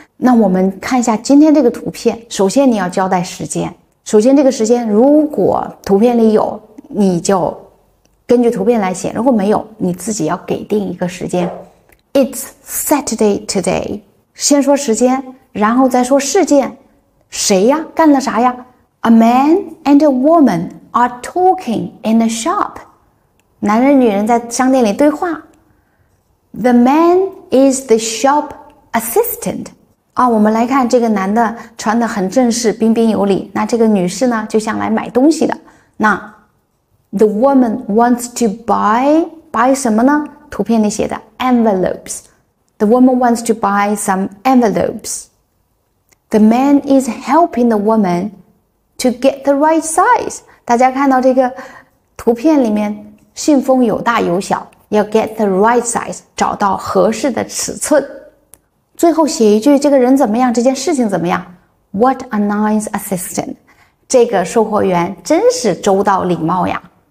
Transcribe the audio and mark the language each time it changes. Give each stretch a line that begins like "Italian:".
Chinese: 那我们看一下今天这个图片，首先你要交代时间。首先这个时间如果图片里有你就根据图片来写，如果没有你自己要给定一个时间。
English: It's Saturday today，
Chinese: 先说时间然后再说事件。谁呀，干了啥呀？
English: A man and a woman are talking in the shop，
Chinese: 男人女人在商店里对话。
English: The man is the shop assistant，
Chinese: 啊，我们来看这个男的穿得很正式彬彬有礼，那这个女士呢就像来买东西的。
English: 那The woman wants to buy
Chinese: 什么呢？图片里写的 envelopes。
English: The woman wants to buy some envelopes。 The man is helping the woman to get the right size。
Chinese: 大家看到这个图片里面信封有大有小，要
English: get the right size，
Chinese: 找到合适的尺寸。最后写一句这个人怎么样，这件事情怎么样。
English: What a nice assistant，
Chinese: 这个售货员真是周到礼貌呀。